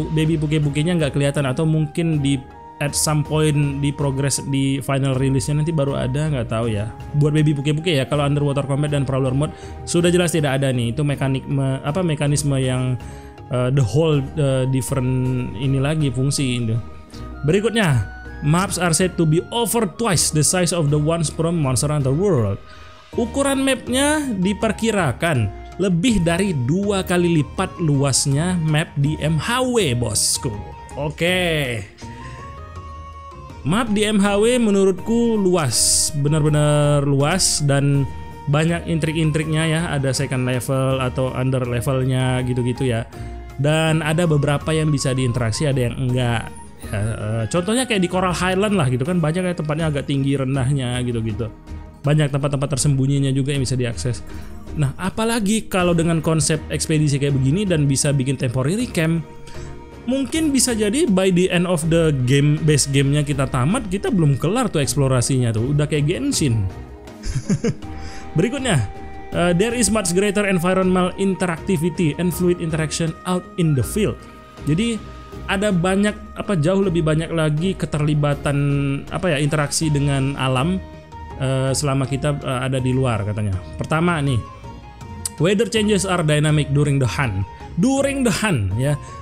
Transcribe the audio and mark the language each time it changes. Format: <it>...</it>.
<id>Baby puke-pukenya nggak kelihatan, atau mungkin di</id> <en>at some point</en> <id>di progress di final release-nya nanti baru ada, nggak tahu ya. Buat baby puke-puke ya, kalau underwater combat dan prowler mode sudah jelas tidak ada nih. Itu mekanisme yang</id> <en>the whole different</en> <id>ini lagi fungsi itu. Berikutnya,</id> <en>maps are said to be over twice the size of the ones from Monster Hunter World.</en> <id>Ukuran mapnya diperkirakan lebih dari 2 kali lipat luasnya map di MHW, bosku. Oke. Map di MHW menurutku luas, benar-benar luas, dan banyak intrik-intriknya ya, ada second level atau under levelnya gitu-gitu ya. Dan ada beberapa yang bisa diinteraksi, ada yang enggak. Contohnya kayak di Coral Highland lah gitu kan, banyak kayak tempatnya agak tinggi rendahnya gitu-gitu. Banyak tempat-tempat tersembunyinya juga yang bisa diakses. Nah, apalagi kalau dengan konsep ekspedisi kayak begini dan bisa bikin temporary camp, mungkin bisa jadi</id> <en>by the end of the game,</en> <id>base game-nya kita tamat, kita belum kelar tuh eksplorasinya tuh, udah kayak Genshin. Berikutnya,</id> <en>there is much greater environmental interactivity and fluid interaction out in the field.</en> <id>Jadi ada banyak apa, jauh lebih banyak lagi keterlibatan apa ya, interaksi dengan alam selama kita ada di luar katanya. Pertama nih,</id> <en>Weather changes are dynamic during the hunt. During the hunt, ya.</en>